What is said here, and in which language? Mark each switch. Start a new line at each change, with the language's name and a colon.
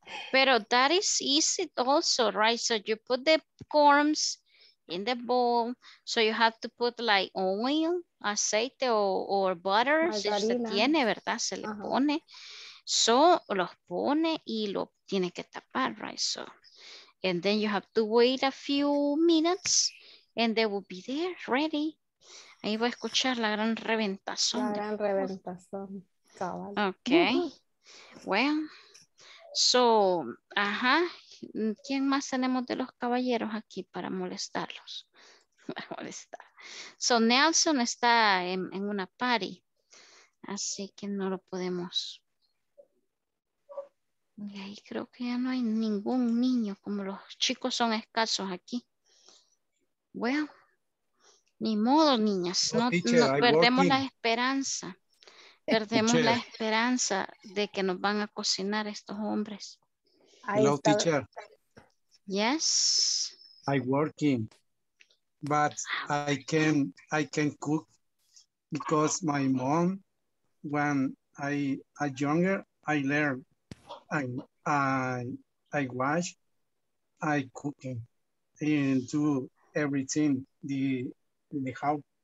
English: Pero that is easy also, right? So you put the corns in the bowl, so you have to put like oil, aceite or butter, margarina.
Spanish: Si se tiene, ¿verdad? Se le pone. So, los pone y lo tiene que tapar, right?
English: So, and then you have to wait a few minutes and they will be there, ready.
Spanish: Ahí voy a escuchar la gran reventazón. La gran reventazón, cabal.
English: Okay. Well, so, ajá.
Spanish: ¿Quién más tenemos de los caballeros aquí para molestarlos? Para molestar. So Nelson está en una party, así que no lo podemos. Y ahí creo que ya no hay ningún niño, como los chicos son escasos aquí. Bueno, well, ni modo, niñas, no, teacher, no perdemos la esperanza. Perdemos la esperanza de que nos van a cocinar estos hombres.
English: Hello, teacher. Yes. I working, but I can cook because my mom, when I younger, I learn, I wash, I cooking, and do everything the house.